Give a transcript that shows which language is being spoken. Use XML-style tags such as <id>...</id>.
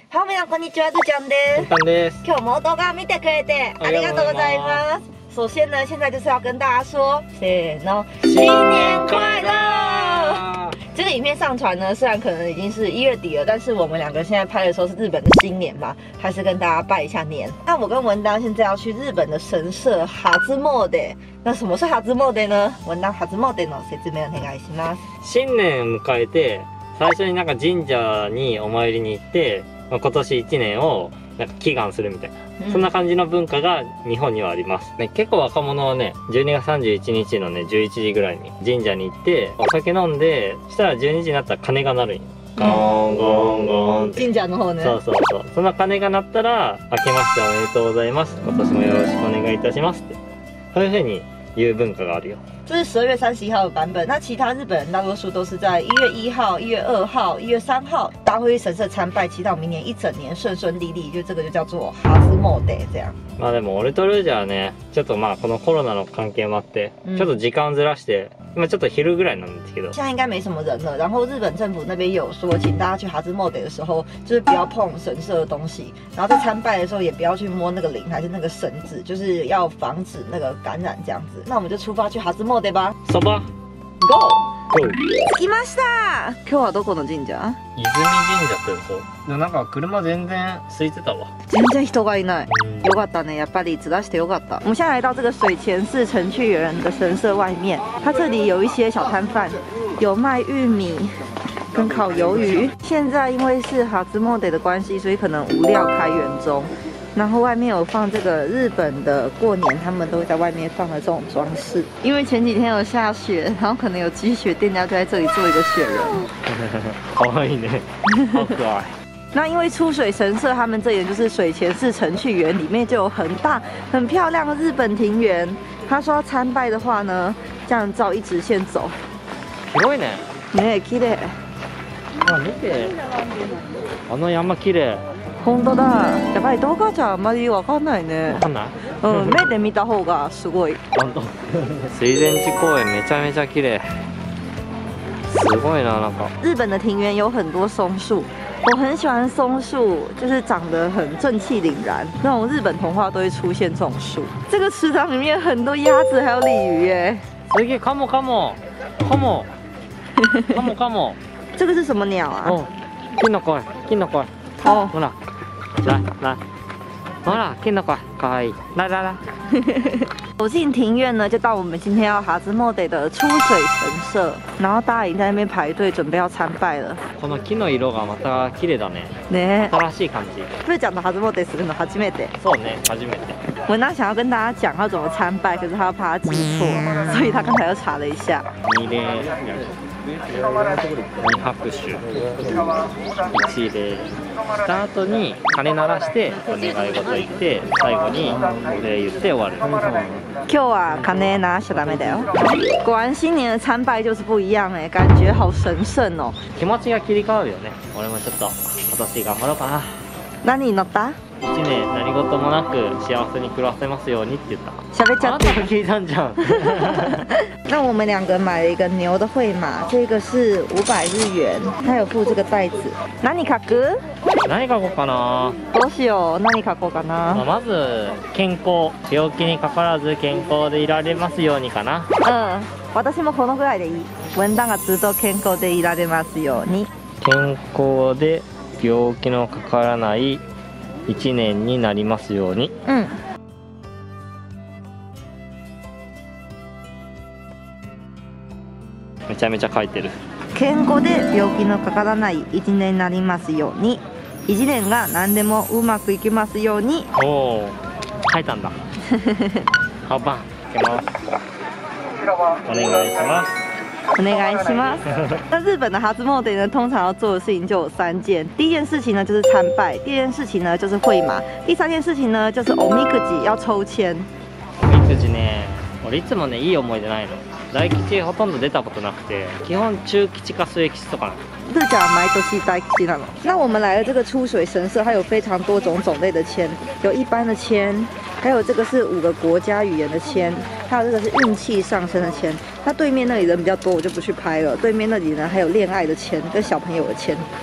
<ja>はい、皆さんこんにちは、ずちゃんです。ずちゃんです。今日も動画を見てくれてありがとうございます。</ja> <zh>首先呢现在就是要跟大家说</zh> <ja>せーの</ja> <zh>新年快乐。这个影片上传呢虽然可能已经是一月底了，但是我们两个现在拍的时候是日本的新年嘛，还是跟大家拜一下年。那我跟文当现在要去日本的神社哈兹莫德。那什么是哈兹莫德呢？</zh> <ja>文当哈兹莫德の説明お願いします。新年を迎えて最初になんか神社にお参りに行って、まあ、今年1年をなんか祈願するみたいな、うん、そんな感じの文化が日本にはあります、ね、結構若者はね12月31日のね11時ぐらいに神社に行ってお酒飲んで、したら12時になったら鐘が鳴るんよ、うん、ゴンゴンゴンって神社の方ね。そうそうそう、その鐘が鳴ったら明けましておめでとうございます、今年もよろしくお願いいたしますって、そういう風に言う文化があるよ。</ja> <zh>这是12月31号的版本，那其他日本人大多数都是在1月1号、1月2号、1月3号大会神社参拜，祈祷明年一整年顺顺利利，就这个就叫做哈兹莫德这样。</zh> <ja>まあでも俺とルージャーね、ちょっとまあこのコロナの関係もあって、ちょっと時間ずらして、今ちょっと昼ぐらいなんですけど。</ja> <zh>现在应该没什么人了，然后日本政府那边有说，请大家去哈兹莫德的时候，就是不要碰神社的东西，然后在参拜的时候也不要去摸那个铃还是那个绳子，就是要防止那个感染这样子。那我们就出发去哈兹莫德吧。走吧。</zh> <en>Go。 Go。</en> <ja>着きました。今日はどこの神社？泉神社ってそう。でもなんか車全然空いてたわ。全然人がいない。よかったね。やっぱりずらしてよかった。</ja> <zh>我们现在来到这个水前寺程序员的神社外面，它这里有一些小摊贩，有卖玉米跟烤鱿鱼。现在因为是哈兹莫德的关系，所以可能无料开园中。然后外面有放这个日本的过年，他们都会在外面放的这种装饰。因为前几天有下雪，然后可能有积雪，店家就在这里做一个雪人。可爱呢，好可爱。那因为出水神社他们这里就是水前寺程序员，里面就有很大很漂亮的日本庭园。他说要参拜的话呢，这样照一直线走。</zh> <ja>すごいね。ね、きれい。あ、見て。あの山きれい。本当だ。やっぱり動画じゃあんまりわかんないね。わかんない。うん、目で見た方がすごい。本当。水前寺公園めちゃめちゃきれい。すごいな、なんか。</ja> <zh>日本的庭园有很多松树。我很喜欢松树，就是长得很正气凛然，那种日本童话都会出现这种树。这个池塘里面很多鸭子，还有鲤鱼耶。</zh> <ja>すげえ、カモカモ、カモ、カモカモ。</ja> <zh>这个是什么鸟啊？</zh> <ja>キノコ、キノコ。</ja> <zh>哦，</zh> <ja>ほら，</ja> <zh>来来，</zh> <ja>ほら、キノコ、可愛い。</ja> <zh>来来来。走进庭院呢，就到我们今天要哈兹莫德的出水神社，然后大家已经在那边排队准备要参拜了。</zh> <ja>この木の色がまた綺麗だね。ね。新しい感じ。ぶーちゃんのハズモデするの初めて。そうね、初めて。</ja> <zh>文当想要跟大家讲要怎么参拜，可是他怕他记错，所以他刚才又查了一下。</zh> <ja>二礼，二拍手，一礼。した後に鐘鳴らしてお願い事言って、最後にお礼言って終わる。今日は鐘鳴らしちゃダメだよ。</ja> <zh>果然</zh> <ja>新年の参拝</ja> <zh>就是不一样耶、感觉好神圣哦。</zh> <ja>気持ちが切り替わるよね。俺もちょっと今年頑張ろうかな。何に乗った？ 1年何事もなく幸せに暮らせますようにって言った。喋っちゃって。あなたが聞いたんじゃん。</ja> <zh>那我们两个买了一个牛的会马，这个是500日元，它有附这个袋子。</zh> <ja>何書く？何書こうかな。どうしよう。何書こうかな。まず健康、病気にかからず健康でいられますようにかな。うん。私もこのぐらいでいい。文旦がずっと健康でいられますように。健康で病気のかからない1年になりますように。うん。めちゃめちゃ書いてる。健康で病気のかからない1年になりますように。 1年が何でもうまくいきますように。おお、書いたんだ。はっばん、いきます。お願いします。お願いします。</ja> <zh>那日本的哈兹莫德呢，通常要做的事情就有三件。第一件事情呢，就是参拜。第二件事情呢，就是会马。第三件事情呢，就是おみくじ，要抽签。</zh> <ja>おみくじね、俺いつもね、いい思い出ないの。大吉ほとんど出たことなくて、基本中吉か末吉とかな。ルちゃんは毎年大吉なの。</ja> <zh>那我们来了这个出水神社，它有非常多种种类的签，有一般的签，还有这个是五个国家语言的签，还有这个是运气上升的签。那对面那里人比较多，我就不去拍了。对面那里呢，还有恋爱的签跟小朋友的签。</zh>